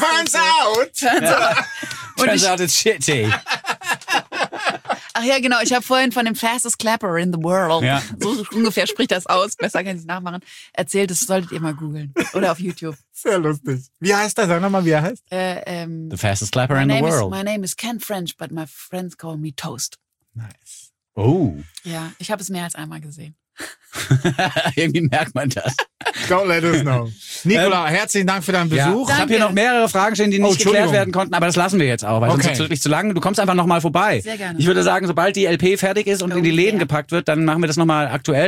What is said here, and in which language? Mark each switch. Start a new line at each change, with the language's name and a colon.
English: turns so? Out. Turns out. Turns out it's shitty.
German: Ach ja, genau. Ich habe vorhin von dem
English: fastest clapper in the world,
German: ja, so ungefähr spricht das aus, besser kann ich nachmachen, erzählt, das solltet ihr mal googeln. Oder auf YouTube. Sehr lustig. Wie heißt das? Sag nochmal, wie er heißt.
English: The fastest clapper in the world. My name is Ken French, but my friends call me Toast. Nice. Oh.
German: Ja, ich habe es mehr als einmal gesehen. Irgendwie merkt man das.
English: Don't let us know.
German: Nicola, herzlichen Dank für deinen Besuch. Ja, ich habe hier noch mehrere Fragen stehen, die nicht geklärt werden konnten, aber das lassen wir jetzt auch, weil sonst ist es wirklich zu lang. Du kommst einfach nochmal vorbei. Sehr gerne. Ich würde sagen, sobald die LP fertig ist und in die Läden gepackt wird, dann machen wir das nochmal aktuell.